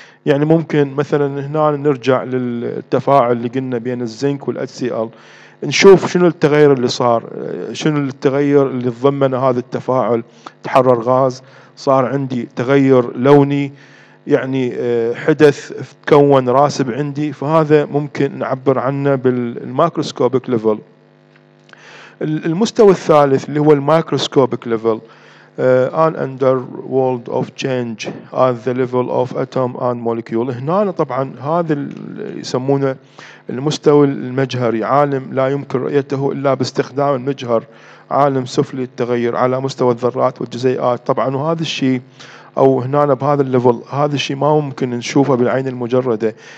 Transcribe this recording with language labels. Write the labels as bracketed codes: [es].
[ar] يعني ممكن مثلا هنا نرجع للتفاعل اللي قلنا بين الزنك والHCl، نشوف شنو التغير اللي صار، شنو التغير اللي تضمن هذا التفاعل، تحرر غاز، صار عندي تغير لوني، يعني حدث تكون راسب عندي. فهذا ممكن نعبر عنه بالمايكروسكوبيك ليفل. المستوى الثالث اللي هو المايكروسكوبيك ليفل، [en] an under world of change at the level of atom and molecule. [ar] هنا طبعا هذا يسمونه المستوى المجهري، عالم لا يمكن رؤيته إلا باستخدام المجهر، عالم سفلي التغير على مستوى الذرات والجزيئات. طبعا وهذا الشيء أو هنا بهذا الليفل هذا الشيء ما ممكن نشوفه بالعين المجردة.